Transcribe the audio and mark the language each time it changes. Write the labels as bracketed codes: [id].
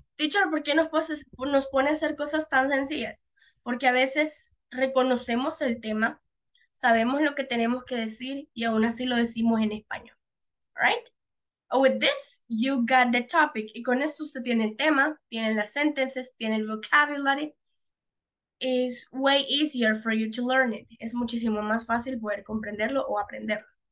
[es] Teacher, ¿por qué nos pone a hacer cosas tan sencillas? Porque a veces reconocemos el tema, sabemos lo que tenemos que decir y aún así lo decimos en español, right? [en] With this, you got the topic. [es] Y con esto usted tiene el tema, tiene las sentences, tiene el vocabulary. [en] It's way easier for you to learn it. [es] Es muchísimo más fácil poder comprenderlo o aprenderlo.